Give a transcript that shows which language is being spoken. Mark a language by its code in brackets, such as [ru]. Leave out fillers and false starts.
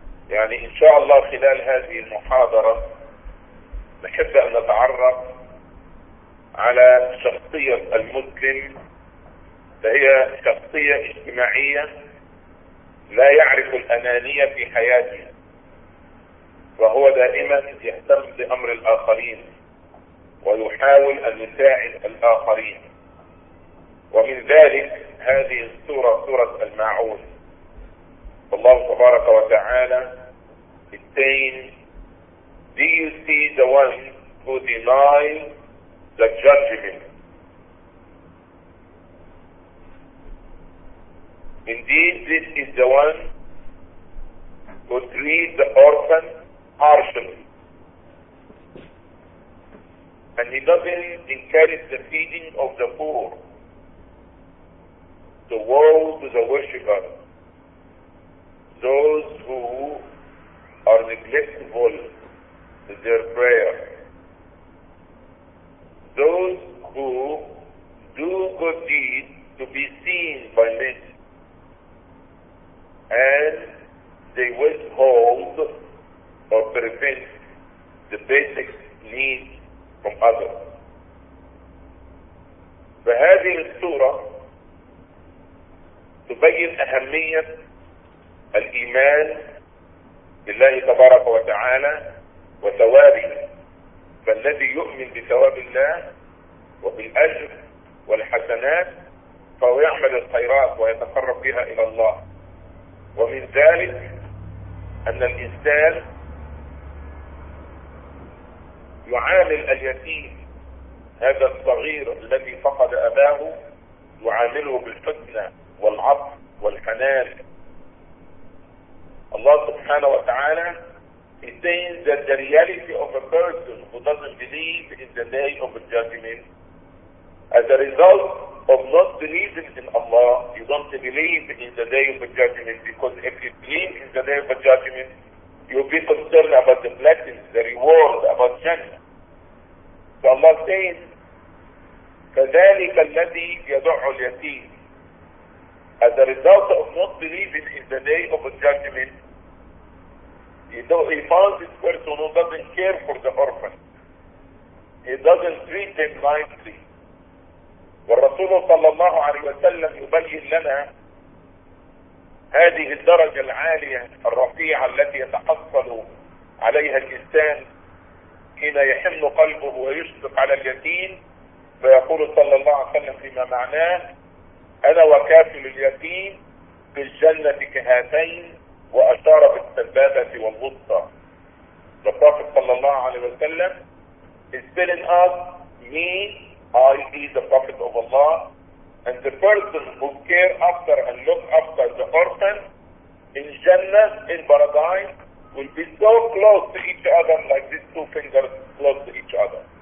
[ar] يعني إن شاء الله خلال هذه المحاضرة نحب أن نتعرف على شخصية المسلم، فهي شخصية اجتماعية لا يعرف الأنانية في حياته، وهو دائما يهتم بأمر الآخرين ويحاول أن يساعد الآخرين. ومن ذلك هذه السورة، سورة الماعون. الله تبارك وتعالى [en] saying, do you see the one who denies the judgment? Indeed, this is the one who treats the orphan harshly. And he doesn't encourage the feeding of the poor. The woe to the worshipper, those who are neglectful in their prayer, those who do good deeds to be seen by men, and they withhold or prevent the basic needs from others. [ar] فهذه السورة تبين أهمية الإيمان بالله تبارك وتعالى وثوابه، فالذي يؤمن بثواب الله وبالأجر والحسنات فهو يعمل الخيرات ويتقرب بها إلى الله. ومن ذلك أن الإنسان يعامل اليتيم هذا الصغير الذي فقد أباه، يعامله بالحسنى والعطف والحنان. [en] Allah subhanahu wa ta'ala is saying that the reality of a person who doesn't believe in the day of judgment, as a result of not believing in Allah, you don't believe in the day of judgment, because if you believe in the day of judgment, you'll be concerned about the blessings, the reward, about Jannah. So Allah says, [ar] كَذَلِكَ الَّذِي يَدُعُ الْيَتِيمِ. [en] As a result of not believing in the day of judgment, you know, he finds this person who doesn't care for the orphan. He doesn't treat them nicely. [ar] والرسول صلى الله عليه وسلم يبين لنا هذه الدرجة العالية الرفيعة التي يتحصل عليها الإنسان حين يحن قلبه ويشفق على اليتيم، فيقول صلى الله عليه وسلم فيما معناه: أنا وكافل اليتيم في الجنة كهاتين، وأشار بالسبابة والوسطى. [en] The Prophet صلى الله عليه وسلم is telling us, me, I be the Prophet of Allah, and the person who care after and look after the orphan in Jannah, in Paradise, will be so close to each other like these two fingers close to each other.